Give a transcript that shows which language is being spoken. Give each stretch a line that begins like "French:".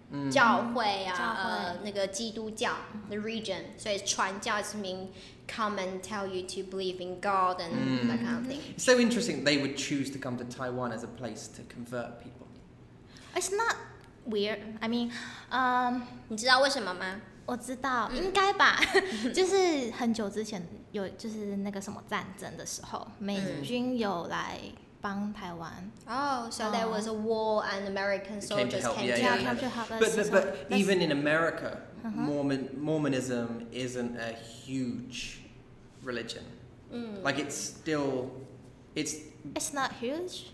Chinese: 教会啊，那个基督教
English: the region，
Chinese: 所以传教是
English: mean come and tell you to believe in God and that kind of thing. It's so interesting they would choose to come to Taiwan as a place to convert people. It's not weird. I mean,
Chinese: 你知道为什么吗？我知道，应该吧，就是很久之前有就是那个什么战争的时候，美军有来。帮台湾。
English: So there was a war and American soldiers came to help. Yeah. But even in America, Mormonism isn't a huge religion. Like it's not huge.